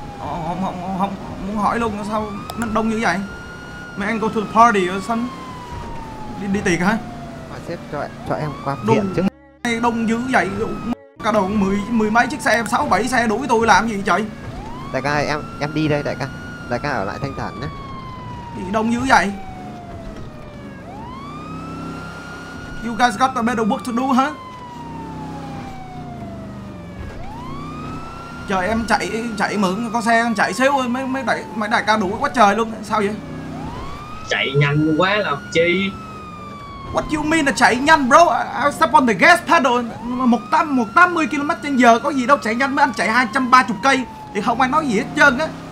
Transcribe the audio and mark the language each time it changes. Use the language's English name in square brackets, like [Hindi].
[Vietnamese] Không muốn hỏi luôn sao nó đông như vậy? Mấy anh [English] go to the party [Vietnamese] ở sân đi tiệc hả? Mà sếp cho em qua viện chứ. Đông dữ vậy cả đồ 10 mấy chiếc xe, 6-7 xe đuổi tôi làm gì trời? Đại ca em đi đây đại ca. Đại ca ở lại thanh thản nhé. Đi đông như vậy. [English] You guys got the better work to do [Vietnamese] hả? Chờ em chạy mượn có xe em chạy xíu thôi mấy đại ca đuổi quá trời luôn. Sao vậy? Chạy nhanh quá làm chi? [English] What you mean [Vietnamese] là chạy nhanh bro? [English] I step on the gas pedal [Vietnamese] 180 km/h có gì đâu chạy nhanh, mấy anh chạy 230 cây thì không ai nói gì hết trơn á.